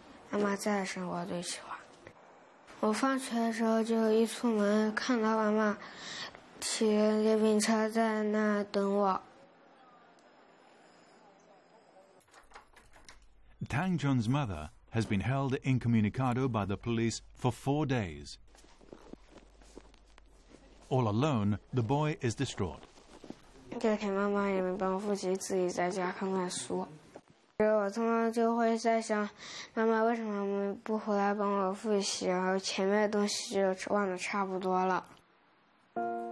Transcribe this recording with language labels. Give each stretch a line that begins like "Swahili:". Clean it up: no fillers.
Chinese: 妈妈在的时候我最喜欢，我放学的时候就一出门看到妈妈骑电瓶车在那等我。
English: Tang Jun's mother has been held incommunicado by the police for 4 days. All alone, the boy is distraught.
Chinese: 这天妈妈也没帮复习，自己在家看看书。我通常就会在想，妈妈为什么不回来帮我复习，然后前面的东西就忘得差不多了。